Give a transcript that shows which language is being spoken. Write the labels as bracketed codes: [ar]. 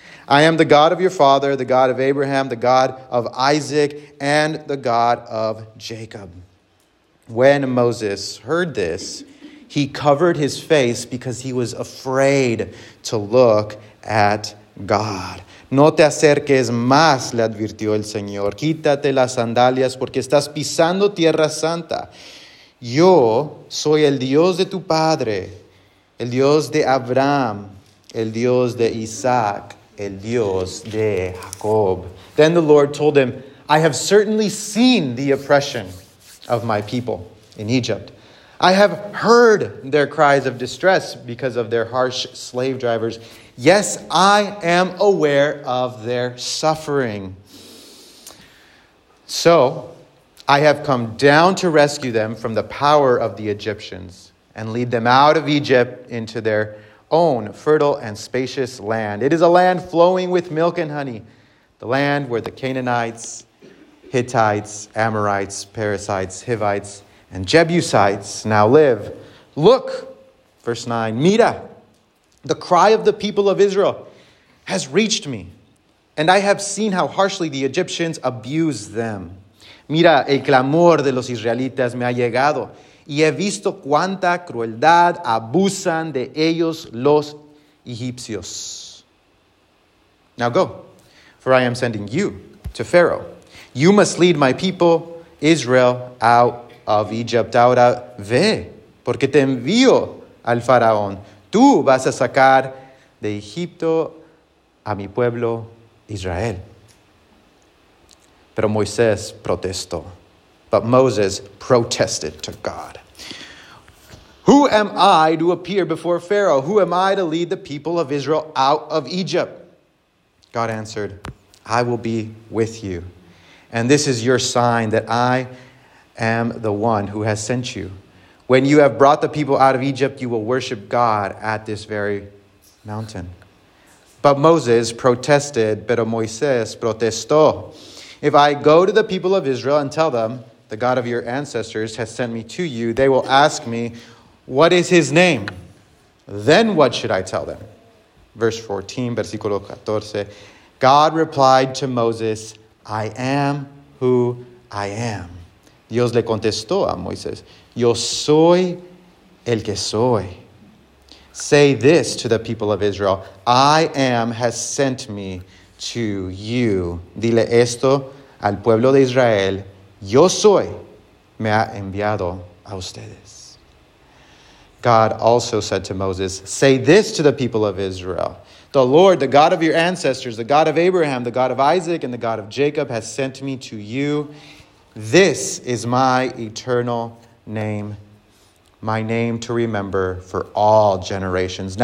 [en] I am the God of your father, the God of Abraham, the God of Isaac, and the God of Jacob." When Moses heard this, he covered his face because he was afraid to look at God. [es] No te acerques más, le advirtió el Señor. Quítate las sandalias porque estás pisando tierra santa. Yo soy el Dios de tu padre, el Dios de Abraham, el Dios de Isaac, el Dios de Jacob. [en] Then the Lord told him, "I have certainly seen the oppression of my people in Egypt. I have heard their cries of distress because of their harsh slave drivers. Yes, I am aware of their suffering. So I have come down to rescue them from the power of the Egyptians and lead them out of Egypt into their own fertile and spacious land. It is a land flowing with milk and honey, the land where the Canaanites, Hittites, Amorites, Perizzites, Hivites, and Jebusites now live. Look," verse 9, "mira, the cry of the people of Israel has reached me, and I have seen how harshly the Egyptians abuse them. [es] Mira, el clamor de los israelitas me ha llegado, y he visto cuánta crueldad abusan de ellos los egipcios. [en] Now go, for I am sending you to Pharaoh. You must lead my people, Israel, out of Egypt. [es] Ahora ve, porque te envío al faraón. Tú vas a sacar de Egipto a mi pueblo Israel." Pero Moisés protestó. [en] But Moses protested to God. "Who am I to appear before Pharaoh? Who am I to lead the people of Israel out of Egypt?" God answered, "I will be with you. And this is your sign that I am the one who has sent you. When you have brought the people out of Egypt, you will worship God at this very mountain." But Moses protested, [es] pero Moisés protestó. [en] "If I go to the people of Israel and tell them, 'The God of your ancestors has sent me to you,' they will ask me, 'What is his name?' Then what should I tell them?" Verse 14, [es] versículo 14. [en] God replied to Moses, "I am who I am." [es] Dios le contestó a Moisés, "Yo soy el que soy. [en] Say this to the people of Israel, 'I am has sent me to you.' [es] Dile esto al pueblo de Israel, 'Yo soy me ha enviado a ustedes.'" [en] God also said to Moses, "Say this to the people of Israel, 'The Lord, the God of your ancestors, the God of Abraham, the God of Isaac, and the God of Jacob has sent me to you. This is my eternal name, my name to remember for all generations.